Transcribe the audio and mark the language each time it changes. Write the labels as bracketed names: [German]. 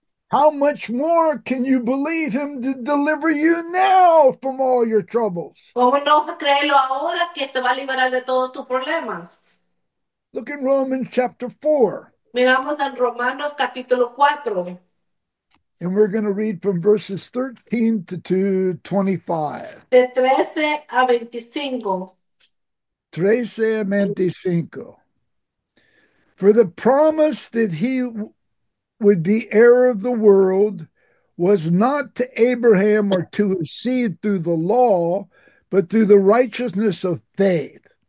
[English] How much more can you believe him to deliver you now from all your troubles? [Spanish] ¿Cómo no creerlo ahora que te va a liberar de todos tus problemas? [English] Look in Romans chapter 4. [Spanish] Miramos en Romanos capítulo 4. [English] And we're going to read from verses 13 to 25. [Spanish] De 13 a 25. [English] 13:25. For the promise that he would be heir of the world was not to Abraham or to his seed through the law, but through the righteousness of faith.